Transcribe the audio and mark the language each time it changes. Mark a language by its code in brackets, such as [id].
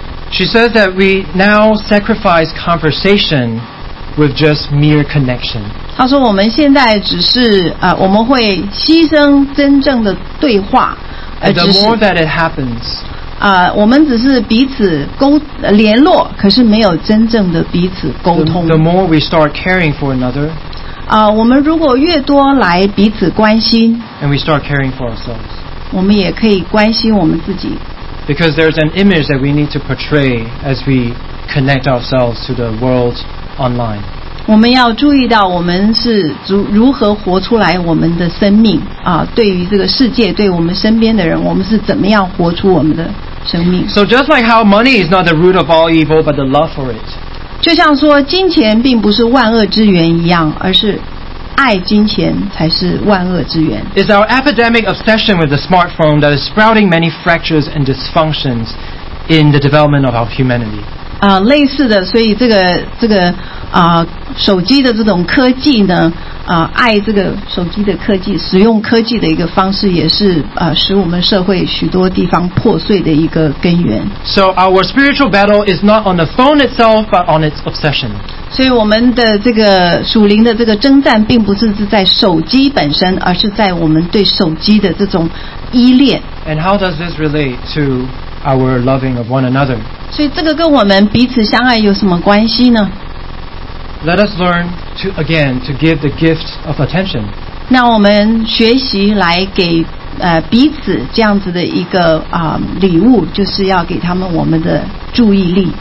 [en] She says that we now sacrifice conversation with just mere connection. [zh] 她说我们现在只是我们会牺牲真正的对话。 [en] And the more that it happens. [zh] 我们只是彼此联络，可是没有真正的彼此沟通。 [en] The more we start caring for another, [zh] 我们如果越多来彼此关心 [en] ，and we start caring for ourselves, [zh] 我们也可以关心我们自己。 [en] Because there's an image that we need to portray as we connect ourselves to the world online. [zh] 我们要注意到我们是如何活出来我们的生命啊，对于这个世界，对我们身边的人，我们是怎么样活出我们的生命。 [en] So just like how money is not the root of all evil, but the love for it. [zh] 就像说金钱并不是万恶之源一样，而是爱金钱才是万恶之源。 [en] It's our epidemic obsession with the smartphone that is sprouting many fractures and dysfunctions in the development of our humanity. [zh] 类似的，所以这个手机的这种科技呢，爱这个手机的科技，使用科技的一个方式，也是使我们社会许多地方破碎的一个根源。 [en] So our spiritual battle is not on the phone itself, but on its obsession. [zh] 所以我们的这个属灵的这个征战，并不是在手机本身，而是在我们对手机的这种依恋。 [en] And how does this relate to our loving of one another? [zh] 所以这个跟我们彼此相爱有什么关系呢？ [en] Let us learn to again to give the gift of attention. [zh] 那我们学习来给彼此这样子的一个礼物，就是要给他们我们的注意力。